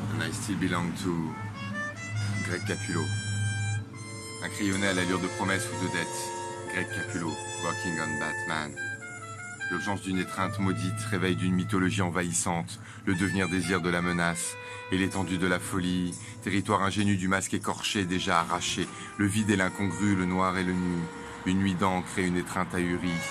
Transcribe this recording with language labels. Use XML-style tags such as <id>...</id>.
<en>I still belong to Greg Capullo.</en> <fr>Un crayonnet à l'allure de promesse ou de dette.</fr> <en>Greg Capullo, working on Batman.</en> <fr>L'urgence d'une étreinte maudite, réveil d'une mythologie envahissante, le devenir désir de la menace et l'étendue de la folie, territoire ingénu du masque écorché déjà arraché, le vide et l'incongru, le noir et le nu, une nuit d'encre et une étreinte ahurie.</fr>